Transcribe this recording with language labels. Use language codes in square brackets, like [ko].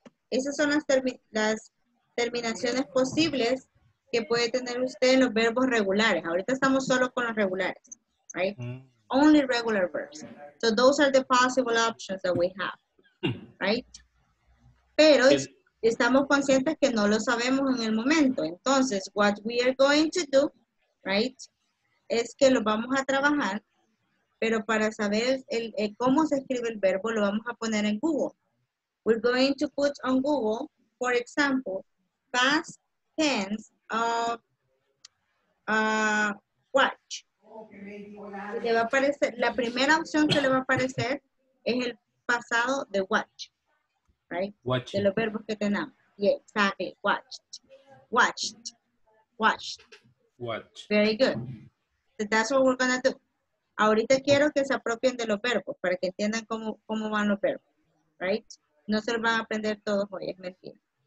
[es] Esas son las terminaciones posibles que puede tener usted en los verbos regulares. Ahorita estamos solo con los regulares. Right? Mm-hmm. [en] Only regular verbs. So those are the possible options that we have. Right? [es] Pero estamos conscientes que no lo sabemos en el momento. Entonces, [en] what we are going to do, [es] right, es que lo vamos a trabajar, pero para saber el cómo se escribe el verbo, lo vamos a poner en Google. [en] We're going to put on Google, for example, past tense of watch. [es] Le va a aparecer, la primera opción que le va a aparecer es el pasado de watch, right? [en] Watching. [es] De los verbos que tenemos. [en] Yeah, exactly. Watched. Watch. Very good. So that's what we're gonna do. [es] Ahorita quiero que se apropien de los verbos para que entiendan cómo van los verbos. Right? No se los van a aprender todos hoy, es mentira.